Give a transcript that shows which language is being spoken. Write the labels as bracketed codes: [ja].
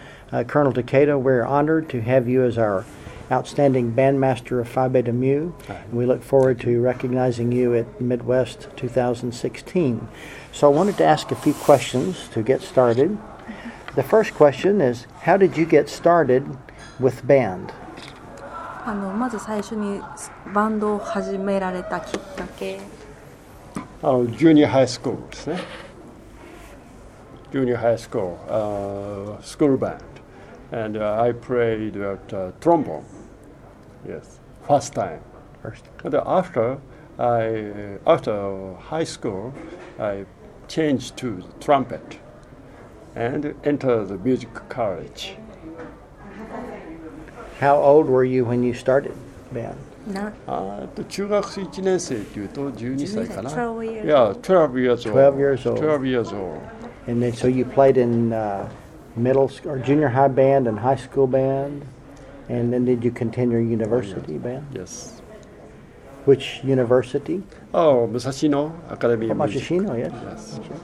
[en] Colonel Takeda, we're honored to have you as our outstanding bandmaster of Phi Beta Mu. We look forward to recognizing you at Midwest 2016. So I wanted to ask a few questions to get started. The first question is, how did you get started with band? [ja] まず最初にバンドを始められたきっかけ。ジュニアハイスクールですね。ジュニアハイスクール、スクールバンド。 [en] And I played at trombone. Yes. First time. And after high school, I changed to the trumpet and entered the music college. How old were you when you started band? [ja] 中学生1年生というと12歳かな。 [en] 12 years old. And then, so you played in middle school, or junior high band and high school band, and then did you continue university band? Yes. Which university? Oh, Musashino Academy of Music. Musashino, yes. Yes.